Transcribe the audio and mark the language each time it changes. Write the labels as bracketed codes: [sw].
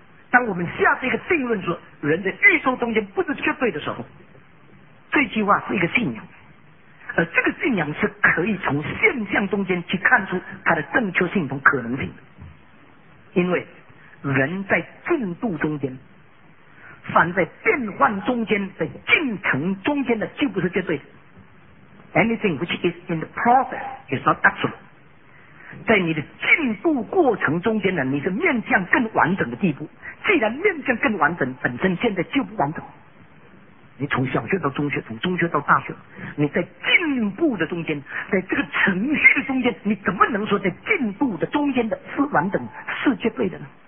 [zh] 当我们下这个定论说人在宇宙中间不是绝对的时候，这句话是一个信仰，而这个信仰是可以从现象中间去看出它的正确性和可能性的。因为人在进度中间，凡在变换中间，在进程中间的就不是绝对的。 [en] Anything which is in the process is not absolute。 [zh] 在你的进步过程中间呢，你是面向更完整的地步。既然面向更完整，本身现在就不完整。你从小学到中学，从中学到大学，你在进步的中间，在这个程序的中间，你怎么能说在进步的中间的是完整、是绝对的呢？